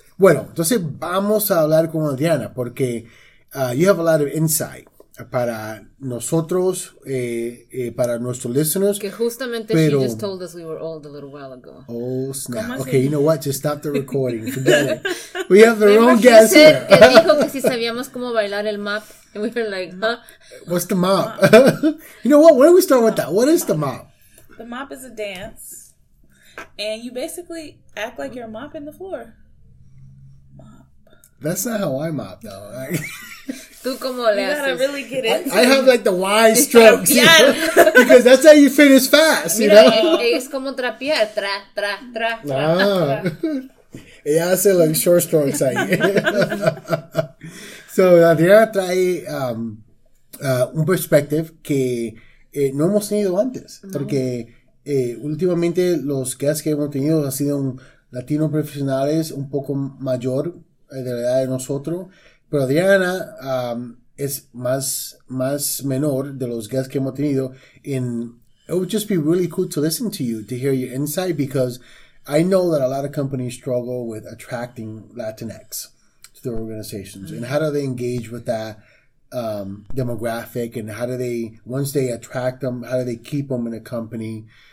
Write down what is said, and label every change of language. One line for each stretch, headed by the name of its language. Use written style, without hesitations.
Spanish: Bueno, entonces vamos a hablar con Adriana porque
English: you have a lot of insight
Spanish: para nosotros, para nuestros listeners. Que justamente, pero
English: she just told us we were old a little while ago. Oh, snap. Okay, you know what? Just stop the recording. Forget it. We have the wrong guest said, here.
Spanish: Que dijo que si sabíamos cómo bailar el mop.
English: And we were like, huh? What's the mop? You know what? Why don't we start with that? What is the mop? The mop is a dance. And you basically act like you're mopping the floor. That's not how I mop, though.
Spanish: Tú como le haces.
English: You gotta really get into it. I have like the wide strokes. You know? Because that's how you finish fast,
Spanish: mira,
English: you know?
Spanish: Es como trapear. Tra, tra, tra, tra, tra. Ella hace
English: like short strokes
Spanish: ahí.
English: So,
Spanish: Adriana trae un perspective que no hemos tenido antes. No. Porque últimamente los guests que hemos tenido han sido latinos profesionales un poco mayor de la edad de nosotros, pero Adriana es más menor de los guests que hemos tenido.
English: And it would just be really cool to listen to you, to hear your insight, because I know that a lot of companies struggle with attracting Latinx to their organizations. Mm-hmm. And how do they engage with that demographic, and how do they, once they attract them, how do they keep them in a company?